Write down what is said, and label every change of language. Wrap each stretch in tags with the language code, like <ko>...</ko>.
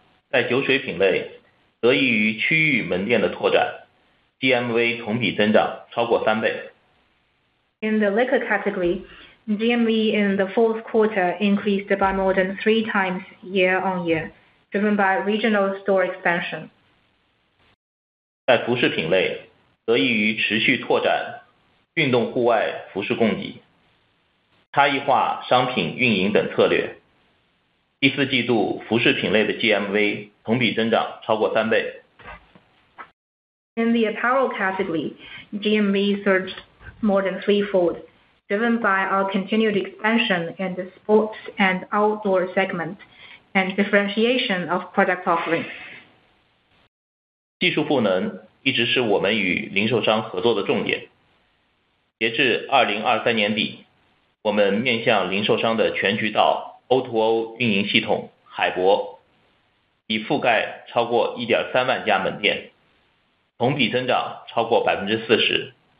<zh>在酒水品类，得益于区域门店的拓展 ，GMV 同比增长超过三倍。</zh> <en>In the liquor category, GMV in the fourth quarter increased by more than three times year on year, driven by regional store expansion.</en> <zh>在服饰品类，得益于持续拓展运动户外服饰供给、差异化商品运营等策略。第四季度服饰品类的 GMV 同比增长超过三倍。</zh> <en>In the apparel category, GMV surged more than threefold, driven by our continued expansion in the sports and outdoor segment and differentiation of product offerings.</en> <zh>技术赋能一直是我们与零售商合作的重点。截至2023年底，我们面向零售商的全渠道 O2O 运营系统海博已覆盖超过 1.3 万家门店，同比增长超过 40%。</zh>